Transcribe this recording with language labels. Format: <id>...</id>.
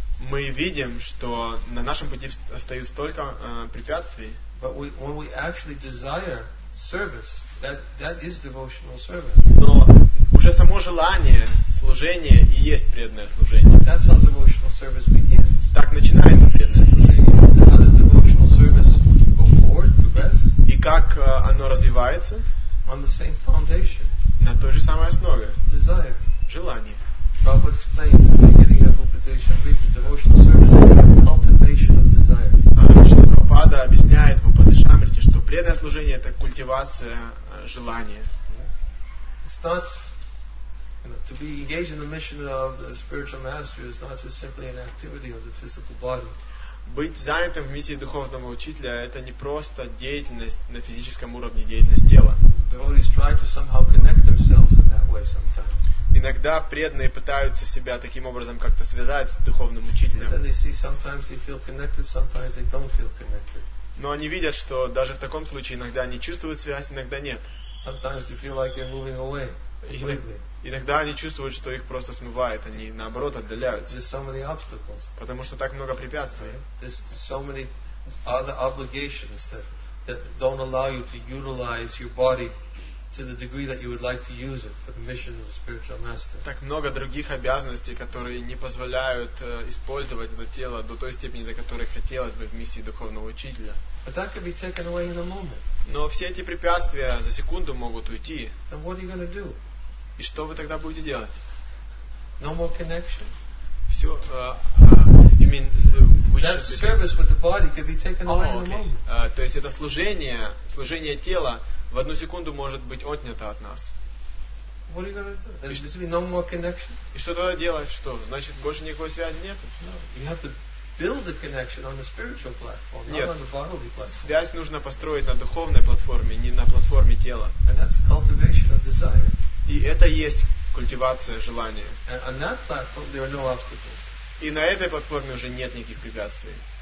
<ru>Мы видим, что на нашем пути стоит столько препятствий.</ru> <en>But when we actually desire service, that is devotional service.</en> <ru>Но уже само желание служения и есть преданное служение.</ru> <en>That's how devotional service begins.</en> <ru>Так начинается преданное служение.</ru> <en>And how does devotional service go forward, progress?</en> <ru>И как оно развивается?</ru> <en>On the same foundation.</en> <ru>На той же самой основе.</ru> <en>Desire.</en> <ru>Желание.</ru> <en>Prabhupada explains in the beginning of Upadeshamrita, devotional service is the cultivation of desire.</en> <ru>Шрила Прабхупада объясняет в Упадешамрите, что преданное служение это культивация желания.</ru> <en>It's not, to be engaged in the mission of the spiritual master is not just simply an activity of the physical body.</en> <ru>Быть занятым в миссии духовного учителя это не просто деятельность на физическом уровне, деятельность тела.</ru> <en>Devotees try to somehow connect themselves in that way sometimes.</en> <ru>Иногда преданные пытаются себя таким образом как-то связать с духовным учителем.</ru> <en>But then they see sometimes they feel connected, sometimes they don't feel connected.</en> <ru>Но они видят, что даже в таком случае иногда они чувствуют связь, иногда нет.</ru> <en>Sometimes they feel like they're moving away.</en> <ru>Иногда они чувствуют, что их просто смывает, они наоборот отдаляются.</ru> <en>There's so many obstacles.</en> <ru>Потому что так много препятствий.</ru> <en>There's so many other obligations that don't allow you to utilize your body to the degree that you would like to use it for the mission of the spiritual master.</en> <ru>Так много других обязанностей, которые не позволяют использовать это тело до той степени, до которой хотелось бы в миссии духовного учителя.</ru> <en>But that can be taken away in a moment.</en> <ru>Но все эти препятствия за секунду могут уйти.</ru> <en>Then what are you going to do?</en> <ru>И что вы тогда будете делать?</ru> <en>No more connection.</en> <ru>Все.</ru> <en>You mean that service with the body can be taken away in a moment.</en> <ru>То есть это служение тела в одну секунду может быть отнято от нас.</ru> <en>What are you gonna do? And there's no more connection?</en> <ru>И что тогда делать? Что? Значит, больше никакой связи нет?</ru> <en>No. You have to build the connection on the spiritual platform,</en> <ru>нет.</ru> <en>Not on the bodily platform.</en> <ru>Связь нужно построить на духовной платформе, не на платформе тела.</ru> <en>And that's cultivation of desire.</en> <ru>И это есть культивация желания.</ru> <en>And on that platform there are no obstacles.</en> <ru>И на этой платформе уже нет никаких препятствий.</ru>